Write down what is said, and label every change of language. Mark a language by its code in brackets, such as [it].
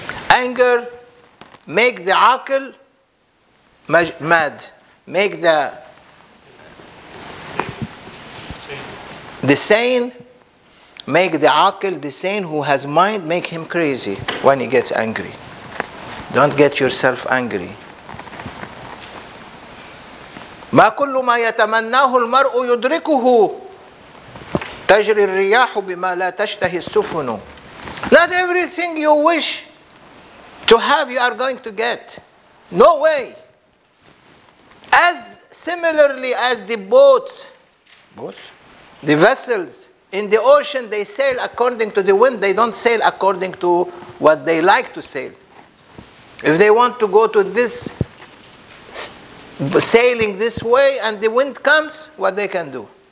[en] Anger makes the aql mad, make the sane, make the aqil, the sane who has mind, make him crazy when he gets angry. Don't get yourself angry. [ar] ما كل ما يتمناه المرء يدركه تجري الرياح بما لا تشتهي السفن. [en] Not everything you wish to have you are going to get. No way. As similarly as the boats, the vessels in the ocean, they sail according to the wind. They don't sail according to what they like to sail. If they want to go to this, sailing this way, and the wind comes, what they can do?